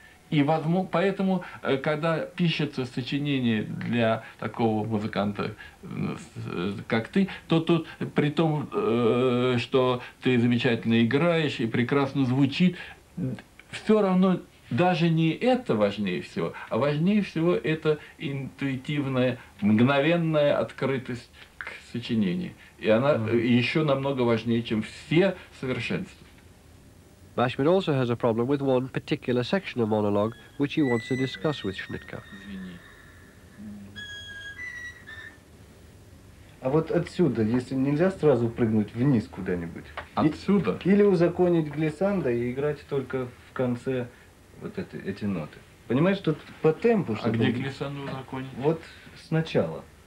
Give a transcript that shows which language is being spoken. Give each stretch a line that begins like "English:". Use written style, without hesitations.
Russian: И возможно, поэтому, когда пишется сочинение для такого музыканта, как ты, то тут, при том, что ты замечательно играешь и прекрасно звучит, все равно даже не это важнее всего, а важнее всего это интуитивная, мгновенная открытость к сочинению. И она еще намного важнее, чем все совершенства.
English: Bashman also has a problem with one particular section of monologue, which he wants to discuss with Schnitka.
Russian: Извини. А вот отсюда, если нельзя сразу прыгнуть вниз куда-нибудь? Отсюда? Или узаконить глиссандо и играть только в конце вот эти ноты. Понимаешь, тут по темпу, что. А где глиссандо узаконить? Вот сначала.